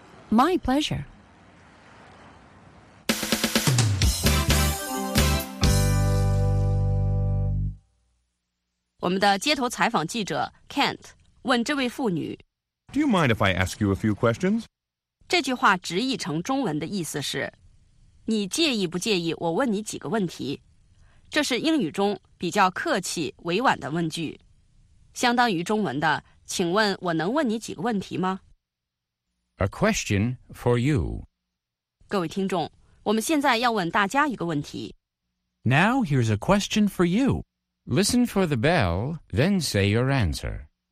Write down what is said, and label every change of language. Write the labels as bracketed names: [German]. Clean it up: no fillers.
[English] My pleasure. Our [Chinese] 街头采访记者 Kent 问这位妇女 [English] Do you mind if I ask you a few questions? [Chinese] 这句话直译成中文的意思是你介意不介意我问你几个问题这是英语中比较客气委婉的问句相当于中文的请问我能问你几个问题吗 [English] A question for you [Chinese] 各位听众我们现在要问大家一个问题 [English] Now here's a question for you Listen for the bell, then say your answer